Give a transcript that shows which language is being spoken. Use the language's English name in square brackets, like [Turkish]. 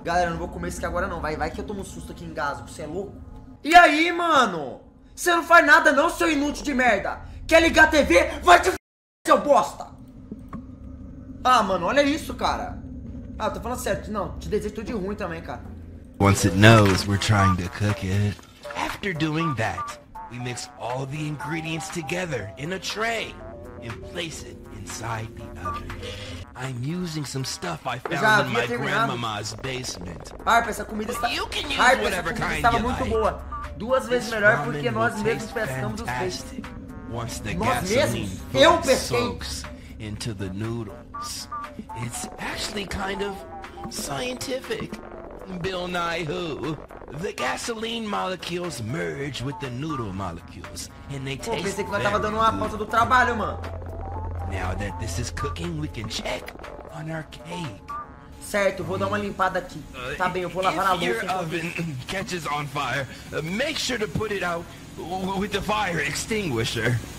[Portuguese] Galera, eu não vou comer isso aqui agora, não. Vai que eu tomo um susto aqui em gás. Você é louco? E aí, mano? Você não faz nada, não, seu inútil de merda. Quer ligar a TV? Vai te f***, seu bosta. Ah, mano, olha isso, cara. Ah, tô falando certo. Não, te desejo tudo de ruim também, cara. [English] Once it knows we're trying to cook it. After doing that, we mix all the ingredients together in a tray and place it inside the oven. I'm using some stuff I found in my grandmama's basement. [Portuguese] Harpa, essa comida está... Harpa, essa comida estava muito boa. Duas vezes melhor porque nós mesmos pescamos os peixes. [English] Once the gasoline soaks into the noodles, it's actually kind of scientific. Bill Nye who? The gasoline molecules merge with the noodle molecules and they taste. [Portuguese] Pô, pensei que nós tava dando uma pausa do trabalho, mano. [English] Now that this is cooking, we can check on our cake. [Portuguese] Certo, vou dar uma limpada aqui. Tá bem, eu vou lavar a louça. [English] If your oven catches on fire, make sure to put it out with the fire extinguisher.